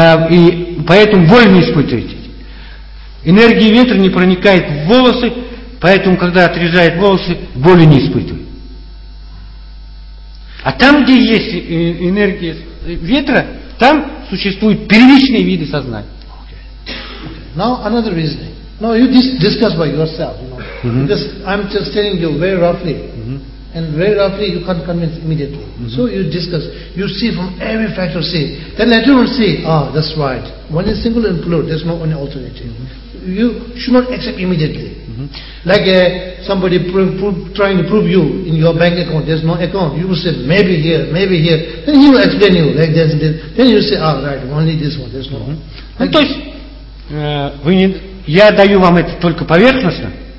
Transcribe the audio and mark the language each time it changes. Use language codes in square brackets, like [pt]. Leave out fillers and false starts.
[ru] И поэтому боль не испытываете. Энергия ветра не проникает в волосы, поэтому, когда отрезает волосы, боли не испытывает. А там, где есть энергия ветра, там существуют первичные виды сознания. [en] Now another reasoning. No, you discuss by yourself, you know. Mm-hmm. Because I'm just telling you very roughly. Mm-hmm. And very roughly you can't convince immediately. Mm-hmm. So you discuss. You see from every factor see. Then later on see, that's right. One is single and plural, there's no only alternative. Mm-hmm. You should not accept immediately. Mm-hmm. Like somebody trying to prove you in your bank account, there's no account. You will say, maybe here, maybe here. Then he will explain you like this. Then you say, all right, only this one, there's no one. [ru] Ну, то есть, вы не, я даю вам это только поверхностно.